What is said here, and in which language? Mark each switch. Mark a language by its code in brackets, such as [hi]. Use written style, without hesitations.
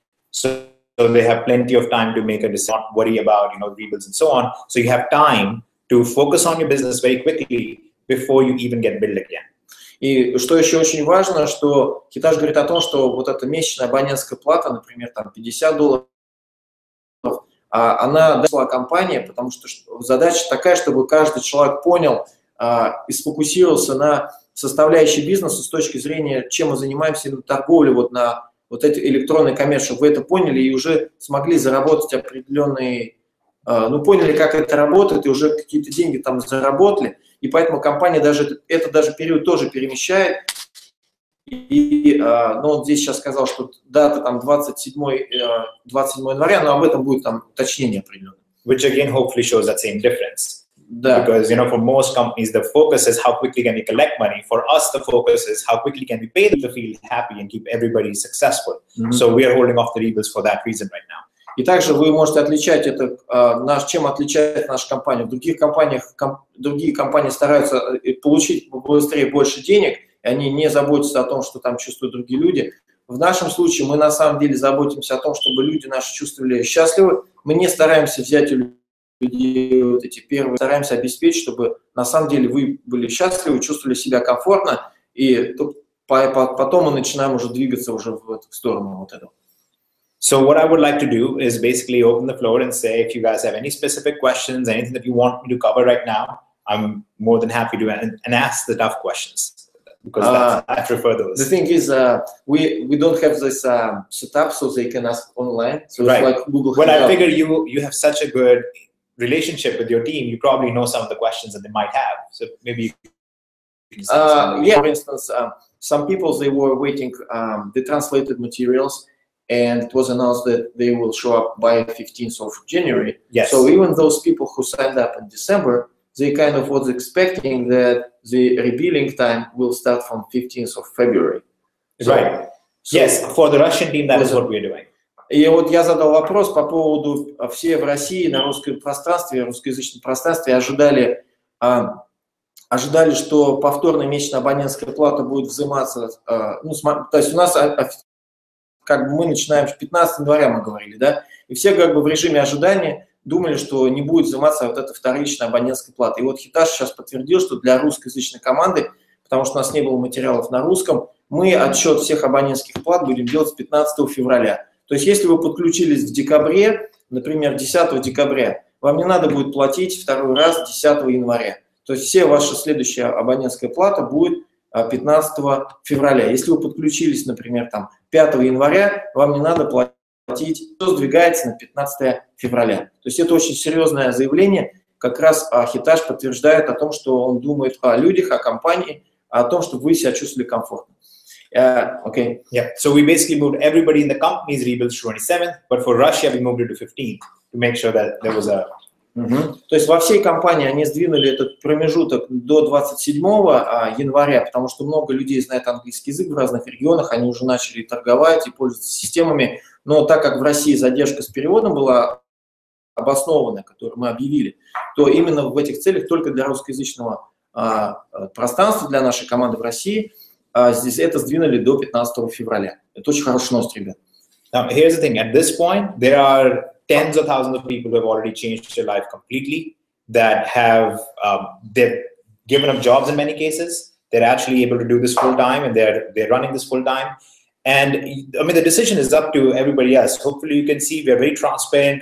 [en] So they have plenty of time to make a decision, not worry about, you know, rebuilds and so on. So you have time to focus on your business very quickly before you even get billed again. [ru] И что еще очень важно, что Хитаж говорит о том, что вот эта месячная абонентская плата, например, там $50, она дошла компании, потому что задача такая, чтобы каждый человек понял и сфокусировался на составляющей бизнеса с точки зрения, чем мы занимаемся, на торговле, вот на вот этой электронной коммерции, чтобы вы это поняли и уже смогли заработать определенные, ну, поняли, как это работает, и уже какие-то деньги там заработали. И поэтому компания даже этот даже период тоже перемещает. И, ну, он здесь сейчас сказал, что дата там 27 января, но об этом будет там уточнение определенное. [en] Which again hopefully shows that same difference. [ru] Да. [en] Because, you know, for most companies the focus is how quickly can we collect money. For us the focus is how quickly can we pay them to feel happy and keep everybody successful. Mm-hmm. So we are holding off the rebuilds for that reason right now. [ru] И также вы можете отличать это, чем отличает наша компания. В других компаниях, другие компании стараются получить быстрее больше денег, и они не заботятся о том, что там чувствуют другие люди. В нашем случае мы на самом деле заботимся о том, чтобы люди наши чувствовали счастливы. Мы не стараемся взять у людей вот эти первые, стараемся обеспечить, чтобы на самом деле вы были счастливы, чувствовали себя комфортно, и потом мы начинаем уже двигаться уже в эту сторону вот этого. [en] So what I would like to do is basically open the floor and say, if you guys have any specific questions, anything that you want me to cover right now, I'm more than happy to and ask the tough questions, because I prefer those. The thing is, we don't have this setup, so they can ask online. So right. It's like Google. When I figure you have such a good relationship with your team, you probably know some of the questions that they might have. So maybe you can say for instance, some people, they were waiting the translated materials. And it was announced that they will show up by 15th of January. Yes. So even those people who signed up in December, they kind of was expecting that the rebilling time will start from 15th of February. So, right. So yes, for the Russian team, that is what we're doing. [ru] И вот я задал вопрос по поводу все в России на русском пространстве, русскоязычном пространстве ожидали, что повторная месячная абонентская плата будет взиматься. То есть у нас как бы мы начинаем с 15 января, мы говорили, да, и все как бы в режиме ожидания думали, что не будет взиматься вот эта вторичная абонентская плата. И вот Хитаж сейчас подтвердил, что для русскоязычной команды, потому что у нас не было материалов на русском, мы отсчет всех абонентских плат будем делать с 15 февраля. То есть если вы подключились в декабре, например, 10 декабря, вам не надо будет платить второй раз 10 января. То есть все ваши следующие абонентская плата будет 15 февраля. Если вы подключились, например, там, 5 января, вам не надо платить, все сдвигается на 15 февраля. То есть это очень серьезное заявление, как раз Хитаж подтверждает о том, что он думает о людях, о компании, о том, чтобы вы себя чувствовали комфортно. [en] Okay. Yeah. So we basically moved everybody in the company's rebuild to 27th, but for Russia we moved it to 15th to make sure that there was a [ru] То есть во всей компании они сдвинули этот промежуток до 27 января, потому что много людей знает английский язык в разных регионах, они уже начали торговать и пользоваться системами. Но так как в России задержка с переводом была обоснованная, которую мы объявили, то именно в этих целях только для русскоязычного пространства, для нашей команды в России, здесь это сдвинули до 15 февраля. Это очень хорошая новость, ребят. [en] Now, here's the thing. At this point, there are tens of thousands of people who have already changed their life completely, that have they've given up jobs in many cases. They're actually able to do this full time, and they're running this full time. And I mean, the decision is up to everybody else. Hopefully, you can see we are very transparent.